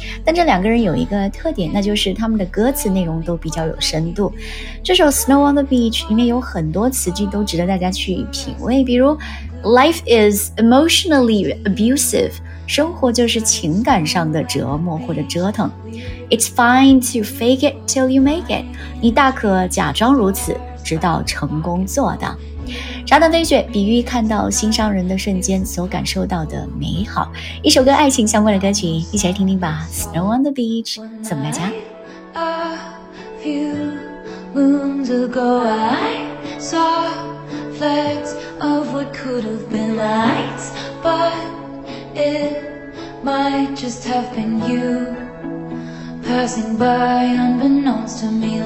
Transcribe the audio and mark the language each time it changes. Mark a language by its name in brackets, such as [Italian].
[Chinese] 但这两个人有一个特点，那就是他们的歌词内容都比较有深度。这首 Snow on the Beach 里面有很多词句都值得大家去品味，比如 [English] Life is emotionally abusive， [Chinese] 生活就是情感上的折磨或者折腾。 [English] It's fine to fake it till you make it， [Chinese] 你大可假装如此，直到成功做到。沙滩飞雪比喻看到心上人的瞬间所感受到的美好。一首跟爱情相关的歌曲，一起来听听吧。 [English] Snow on the Beach [Chinese] 送给大家。 [English] A few moons ago I sawOf what could have been lights, but it might just have been you passing by unbeknownst to me.